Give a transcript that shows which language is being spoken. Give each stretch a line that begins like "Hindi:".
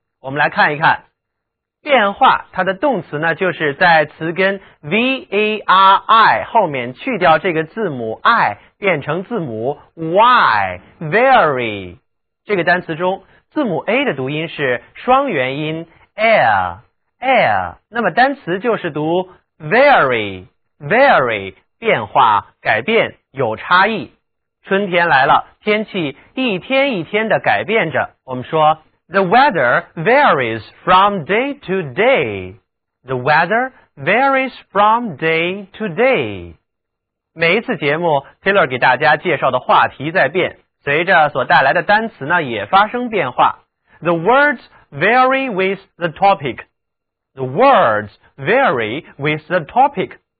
Chinese: 我们来看一看变化，它的动词呢就是在词根 VARI 后面去掉这个字母 I， 变成字母 Y， very， 这个单词中字母 A 的读音是双元音 air air， 那么单词就是读 very very，变化、改变、有差异。春天来了，天气一天一天的改变着。
English: 我们说 The weather varies from day to day. The weather varies from day to day.
Chinese: 每一次节目 Taylor 给大家介绍的话题在变，随着所带来的单词呢也发生变化。
English: The words vary with the topic. The words vary with the topic.